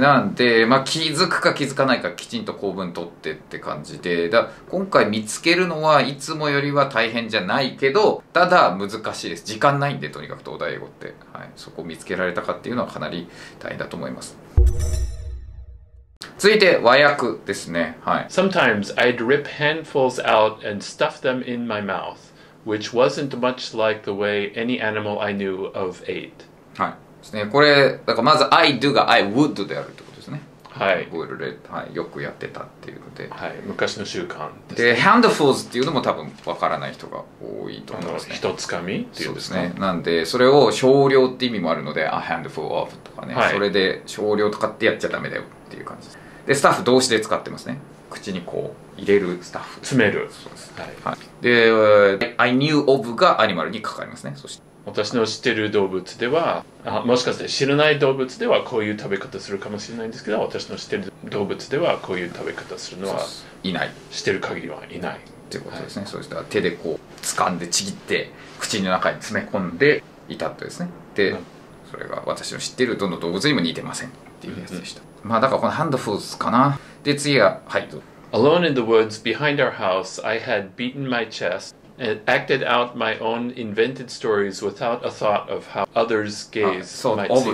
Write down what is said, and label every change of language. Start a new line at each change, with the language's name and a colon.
Japanese: なんで、まあ、気づくか気づかないかきちんと構文取ってって感じで、だ今回見つけるのはいつもよりは大変じゃないけど、ただ難しいです。時間ないんで、とにかく東大英語って、はい、そこを見つけられたかっていうのはかなり大変だと思います。続いて和訳ですね、はい、
English: Sometimes I'd rip handfuls out and stuff them in my mouth, which wasn't much like the way any animal I knew of ate.
Japanese: はいですね、これだからまず
English: I do
Japanese: が
English: I would
Japanese: であるってことですね。はい、ボイルで、はい、よくやってたっていうので、はい、昔の習慣で、ね、で handfuls っていうのも多分わからない人が多いと思いますね。ひとつかみっていうんですか。そうですね。なんでそれを少量って意味もあるので、
English: a handful of
Japanese: とかね、はい、それで少量とかってやっちゃダメだよっていう感じです。でスタッフ動詞で使ってますね。口にこう入れるスタッフ、詰める。そうです、はいはい、で
English: I knew of
Japanese: がアニマルにかかりますね。そして私の知ってる動物では、あ、もしかして知らない動物ではこういう食べ方するかもしれないんですけど、私の知ってる動物ではこういう食べ方するのはいない、知ってる限りはいないっていうことですね、はい、そうしたら手でこう掴んでちぎって口の中に詰め込んでいたとですね。で、うん、それが私の知ってるどの動物にも似てませんっていうやつでした、うんうん、まあだからこのハンドフルーズかな。で次は、はい、
English: Alone in the woods behind our house I had beaten my chestAnd acted out my own invented stories without a thought of how others' gaze might see me.